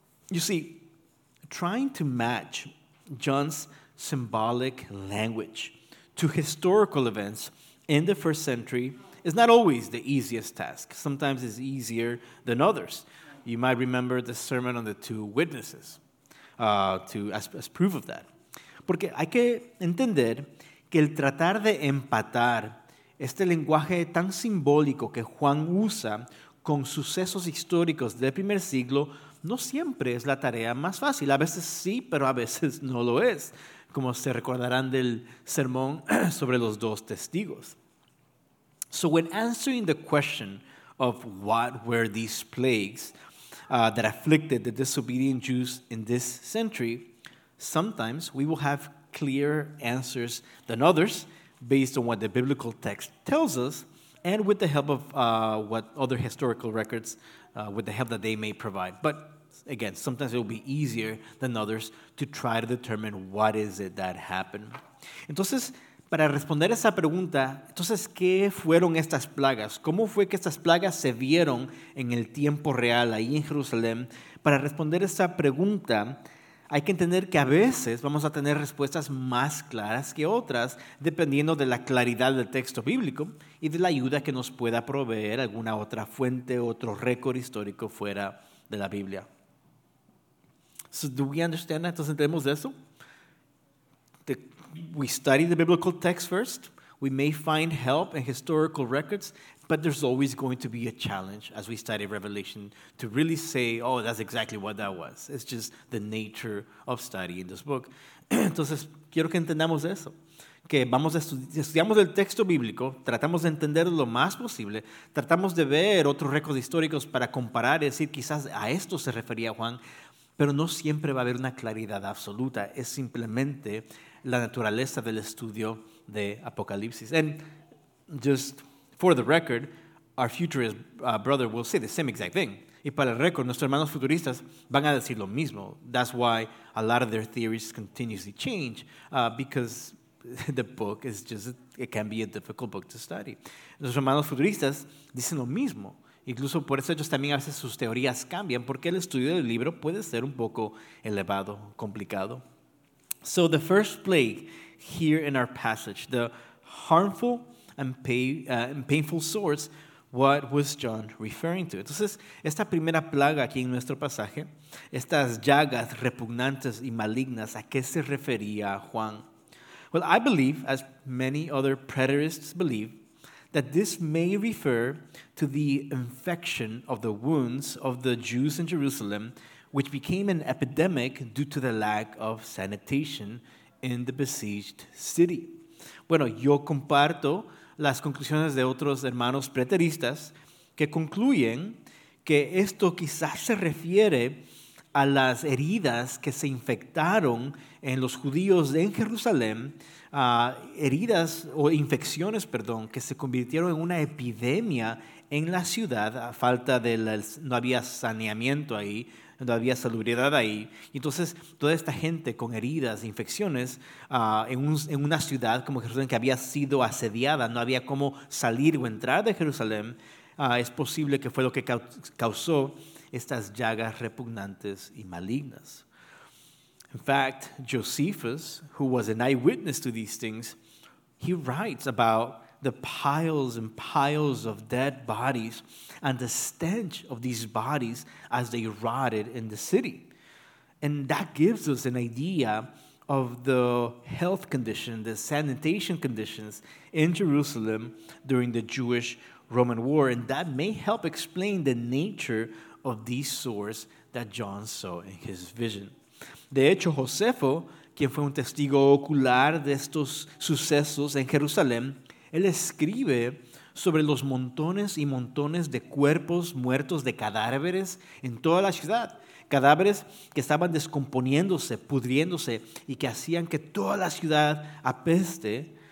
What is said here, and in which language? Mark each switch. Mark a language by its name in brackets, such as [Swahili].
[English] You see, trying to match John's symbolic language to historical events in the first century is not always the easiest task. Sometimes it's easier than others. You might remember the sermon on the two witnesses as proof of that. [Spanish] Porque hay que entender que el tratar de empatar este lenguaje tan simbólico que Juan usa con sucesos históricos del primer siglo no siempre es la tarea más fácil. A veces sí, pero a veces no lo es, como se recordarán del sermón sobre los dos testigos. [English] So when answering the question of what were these plagues that afflicted the disobedient Jews in this century, sometimes we will have clearer answers than others based on what the biblical text tells us and with the help of what other historical records, with the help that they may provide. But again, sometimes it will be easier than others to try to determine what is it that happened. [Spanish] Entonces, para responder esa pregunta, entonces, ¿qué fueron estas plagas? ¿Cómo fue que estas plagas se vieron en el tiempo real ahí en Jerusalén? Para responder esa pregunta, hay que entender que a veces vamos a tener respuestas más claras que otras, dependiendo de la claridad del texto bíblico y de la ayuda que nos pueda proveer alguna otra fuente, otro récord histórico fuera de la Biblia. [English] So do we understand that? [Spanish] Entonces, ¿entendemos eso? [English] We study the biblical text first. We may find help in historical records, but there's always going to be a challenge as we study Revelation to really say, oh, that's exactly what that was. It's just the nature of study in this book. [Spanish] Entonces, quiero que entendamos eso. Que vamos a estudiamos el texto bíblico, tratamos de entenderlo lo más posible, tratamos de ver otros récords históricos para comparar y decir, quizás a esto se refería Juan, pero no siempre va a haber una claridad absoluta. Es simplemente la naturaleza del estudio de Apocalipsis. [English] And just for the record, our futurist brother will say the same exact thing. [Spanish] Y para el récord, nuestros hermanos futuristas van a decir lo mismo. [English] That's why a lot of their theories continuously change, because the book is just, it can be a difficult book to study. [Spanish] Nuestros hermanos futuristas dicen lo mismo. Incluso por eso ellos también a veces sus teorías cambian, porque el estudio del libro puede ser un poco elevado, complicado. [English] So the first plague here in our passage, the harmful and painful sores, What was John referring to? [Spanish] Entonces, esta primera plaga aquí en nuestro pasaje, estas llagas repugnantes y malignas, ¿a qué se refería Juan? [English] Well, I believe, as many other preterists believe, that this may refer to the infection of the wounds of the Jews in Jerusalem, which became an epidemic due to the lack of sanitation in the besieged city. [Spanish] Bueno, yo comparto las conclusiones de otros hermanos preteristas que concluyen que esto quizás se refiere a las heridas que se infectaron en los judíos en Jerusalén, heridas o infecciones, perdón, que se convirtieron en una epidemia en la ciudad a falta de no había saneamiento ahí, no había salubridad ahí. Y entonces, toda esta gente con heridas, infecciones, en una ciudad como Jerusalén que había sido asediada, no había cómo salir o entrar de Jerusalén, es posible que fue lo que causó estas llagas repugnantes y malignas. [English] In fact, Josephus, who was an eyewitness to these things, he writes about the piles and piles of dead bodies and the stench of these bodies as they rotted in the city. And that gives us an idea of the health condition, the sanitation conditions in Jerusalem during the Jewish-Roman War. And that may help explain the nature of these sores that John saw in his vision. [Spanish] De hecho, Josefo, quien fue un testigo ocular de estos sucesos en Jerusalén, él escribe sobre los montones y montones de cuerpos muertos, de cadáveres en toda la ciudad. Cadáveres que estaban descomponiéndose, pudriéndose y que hacían que toda la ciudad apeste.